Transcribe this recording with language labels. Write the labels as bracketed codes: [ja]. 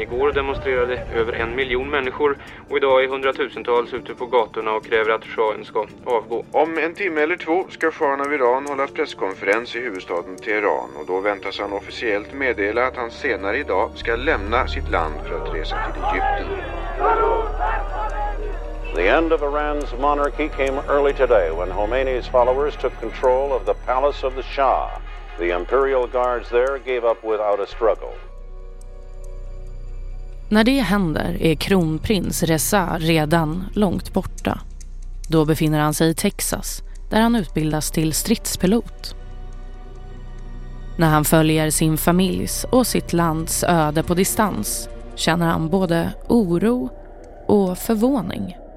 [sv] Igår demonstrerade över 1 miljon människor och idag är hundratusentals ute på gatorna och kräver att Shahen ska avgå. Om en timme eller två ska shahen av Iran hålla presskonferens i huvudstaden Teheran och då väntas han officiellt meddela att han senare idag ska lämna sitt land för att resa till Egypten. [en] The end of Iran's monarchy came early today when Khomeini's followers took control of the palace of the Shah. The imperial guards there gave up without a struggle. [sv] När det händer är kronprins Reza redan långt borta. Då befinner han sig i Texas, där han utbildas till stridspilot. När han följer sin familjs och sitt lands öde på distans känner han både oro och förvåning.